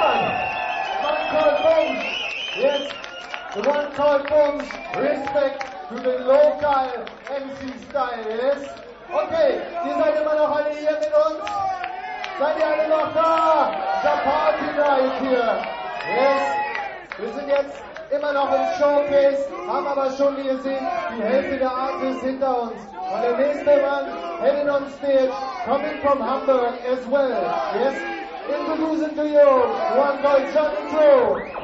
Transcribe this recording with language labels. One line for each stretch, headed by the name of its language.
English: Man called Bums, yes, the one called Bums, respect to the local MC-Style, yes?
German: Okay, ihr seid immer noch alle hier mit uns? Seid ihr alle noch da? The Party Night hier! Yes, wir sind jetzt immer noch im Showcase, haben aber schon, wie ihr seht, die Hälfte der Artists hinter uns. Und der nächste Mann,
English: heading on stage, coming from Hamburg as well. Yes, introducing to you, one called Johnny Joe.